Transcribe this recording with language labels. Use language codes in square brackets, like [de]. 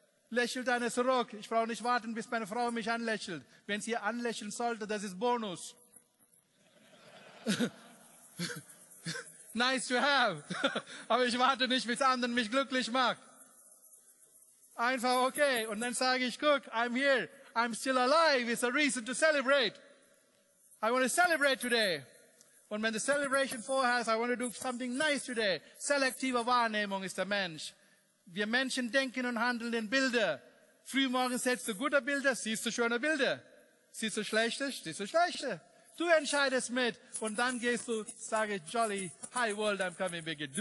[de] Lächelt eine zurück. Ich brauche nicht warten, bis meine Frau mich anlächelt. Wenn sie anlächeln sollte, das ist Bonus. [en] Nice to have. [de] Aber ich warte nicht, bis anderen mich glücklich macht. Einfach okay. Und dann sage ich, guck, [en] I'm here. I'm still alive. It's a reason to celebrate. I want to celebrate today. [de] Und wenn die Celebration vorhast, [en] I want to do something nice today. [de] Selektive Wahrnehmung ist der Mensch. Wir Menschen denken und handeln in Bilder. Frühmorgen setzt du gute Bilder, siehst du schöne Bilder. Siehst du schlechte, siehst du schlechte. Du entscheidest mit und dann gehst du, sage ich, jolly, [en] hi world, I'm coming back.